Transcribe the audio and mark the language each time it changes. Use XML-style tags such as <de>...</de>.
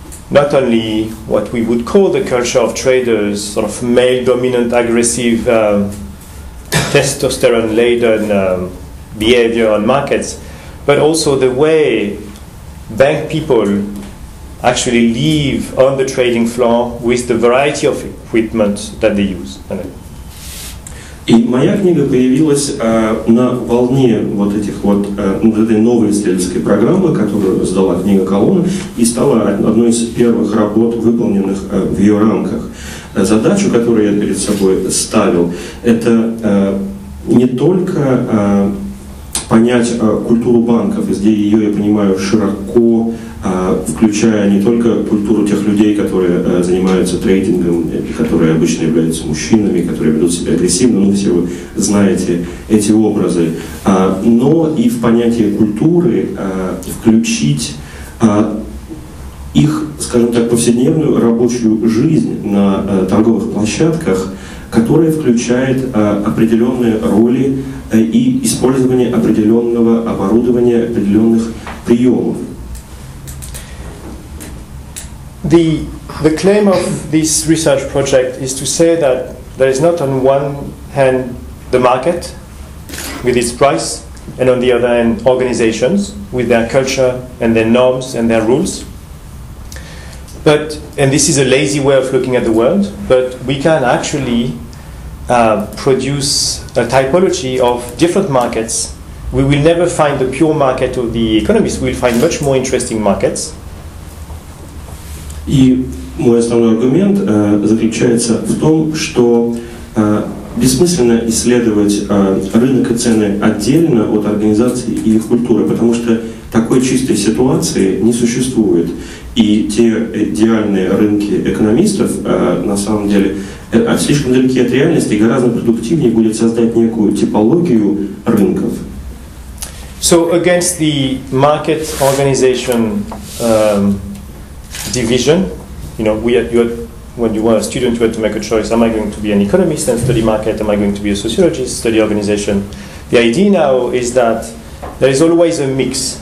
<en>not only what we would call the culture of traders, sort of male dominant aggressive testosterone laden behavior on markets, but also the way bank people actually live on the trading floor with the variety of equipment that they use.</en> <ru>И моя книга появилась на волне вот этих вот этой новой исследовательской программы, которую создала книга Колумбы, и стала одной из первых работ, выполненных в ее рамках. Задачу, которую я перед собой ставил, это не только понять культуру банков, где ее я понимаю широко, включая не только культуру тех людей, которые занимаются трейдингом, которые обычно являются мужчинами, которые ведут себя агрессивно, ну, все вы знаете эти образы, но и в понятие культуры включить их, скажем так, повседневную рабочую жизнь на торговых площадках, которая включает определенные роли и использование определенного оборудования, определенных приемов.</ru> <en>The claim of this research project is to say that there is not on one hand the market with its price, and on the other hand organizations with their culture and their norms and their rules. But, and this is a lazy way of looking at the world, but we can actually produce a typology of different markets. We will never find the pure market of the economists, we'll find much more interesting markets.</en> <ru>И мой основной аргумент заключается в том, что бессмысленно исследовать рынок и цены отдельно от организации и их культуры, потому что такой чистой ситуации не существует. И те идеальные рынки экономистов, на самом деле, слишком далеки от реальности, гораздо продуктивнее будет создать некую типологию рынков.</ru> <en>So against the market organization division, you know, when you were a student, you had to make a choice: am I going to be an economist and study market? Am I going to be a sociologist, study organization? The idea now is that there is always a mix.</en>